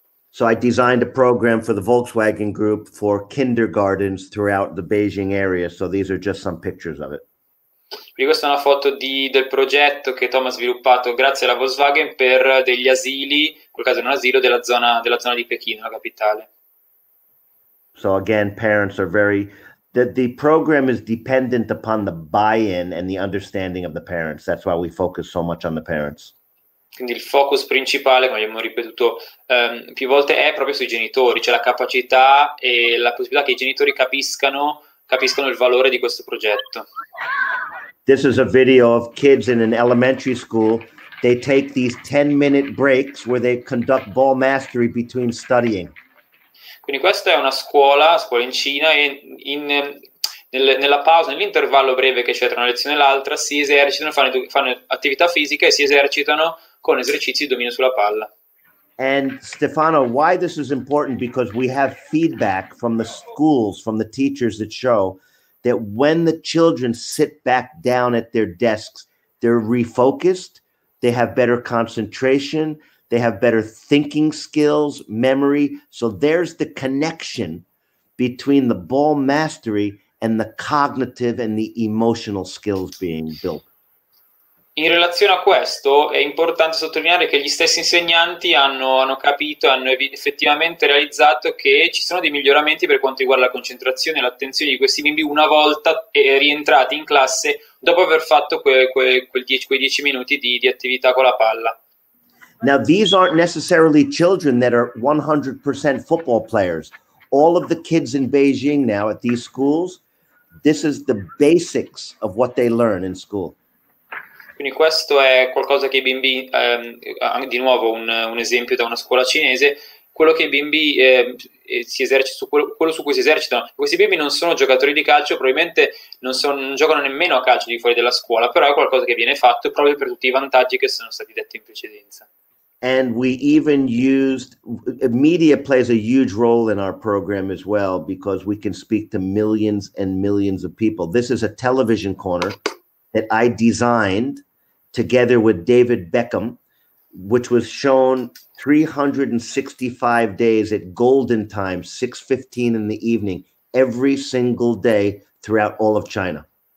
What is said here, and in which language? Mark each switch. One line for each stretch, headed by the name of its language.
English: So I designed a program for the Volkswagen Group for kindergartens throughout the Beijing area. So these are just some pictures of it.
Italian: Quindi questa è una foto del progetto che Tom ha sviluppato grazie alla Volkswagen per degli asili, in quel caso non asilo, della zona di Pechino, la capitale.
English: So again, parents are very... That the program is dependent upon the buy-in and the understanding of the parents. That's why we focus so much on the parents.
Italian: Quindi il focus principale, come abbiamo ripetuto più volte, è proprio sui genitori, cioè la capacità e la possibilità che i genitori capiscano il valore di questo progetto.
English: This is a video of kids in an elementary school. They take these 10-minute breaks where they conduct ball mastery between studying.
Italian: Quindi questa è una scuola in Cina, e nella pausa, nell'intervallo breve che c'è tra una lezione e l'altra, si esercitano, fanno attività fisica e si esercitano con esercizi di dominio sulla palla.
English: And Stefano, why this is important? Because we have feedback from the schools, from the teachers that show that when the children sit back down at their desks, they're refocused, they have better concentration, they have better thinking skills, memory. So there's the connection between the ball mastery and the cognitive and the emotional skills being built.
Italian: In relazione a questo, è importante sottolineare che gli stessi insegnanti hanno capito, hanno effettivamente realizzato che ci sono dei miglioramenti per quanto riguarda la concentrazione e l'attenzione di questi bimbi una volta rientrati in classe dopo aver fatto quei dieci minuti di attività con la palla.
English: Now, these aren't necessarily children that are 100% football players. All of the kids in Beijing now at these schools, this is the basics of what they learn in school.
Italian: Quindi questo è qualcosa che i bimbi, di nuovo un esempio da una scuola cinese, quello che i bimbi si esercitano, quello su cui si esercitano. Questi bimbi non sono giocatori di calcio, probabilmente non giocano nemmeno a calcio di fuori della scuola, però è qualcosa che viene fatto proprio per tutti i vantaggi che sono stati detti in precedenza.
English: And we even used, media plays a huge role in our program as well, because we can speak to millions and millions of people. This is a television corner that I designed together with David Beckham, which was shown 365 days at golden time, 6:15 in the evening, every single day throughout all of China.